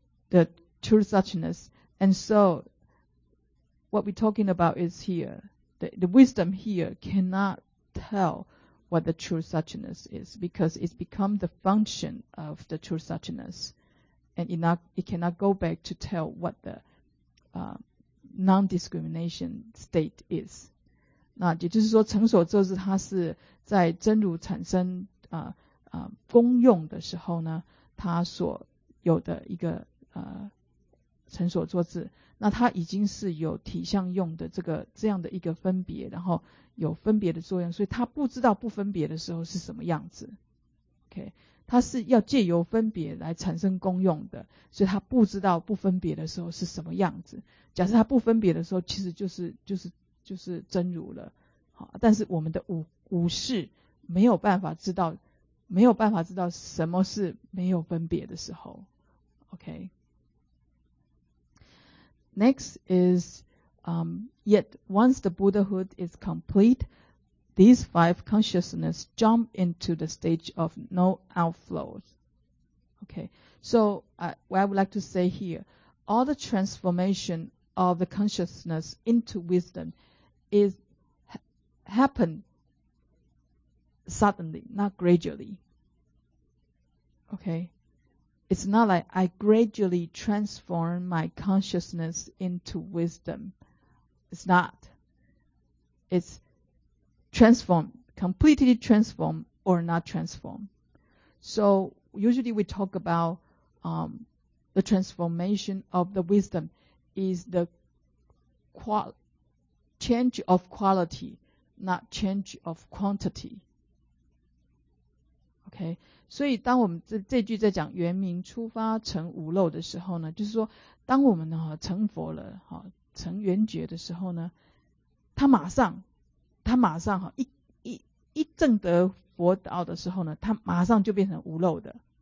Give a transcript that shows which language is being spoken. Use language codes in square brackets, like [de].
[en] The true suchness. And so what we're talking about is here. The wisdom here cannot tell what the true suchness is, because it's become the function of the true suchness, and it cannot go back to tell what the non-discrimination state is. [zh] 那也就是说，成所咒是它是在真如产生功用的时候呢，它所有的一个成所作智，那它已经是有体相用的这样的一个分别，然后有分别的作用，所以它不知道不分别的时候是什么样子。 OK， 它是要借由分别来产生功用的，所以它不知道不分别的时候是什么样子。假设它不分别的时候，其实就是真如了。好，但是我们的五识没有办法知道。没有办法知道什么是没有分别的时候。 [en] OK, next is yet once the Buddhahood is complete, these five consciousness jump into the stage of no outflows. OK, so what I would like to say here, all the transformation of the consciousness into wisdom is happen suddenly, not gradually. Okay, it's not like I gradually transform my consciousness into wisdom. It's not. It's transform, completely transform or not transform. So usually we talk about the transformation of the wisdom is the change of quality, not change of quantity. Okay. [zh] 所以当我们 这句在讲圆明初发成无漏的时候呢，就是说当我们成佛了，成圆觉的时候呢，他马上 一证得佛道的时候呢，他马上就变成无漏的。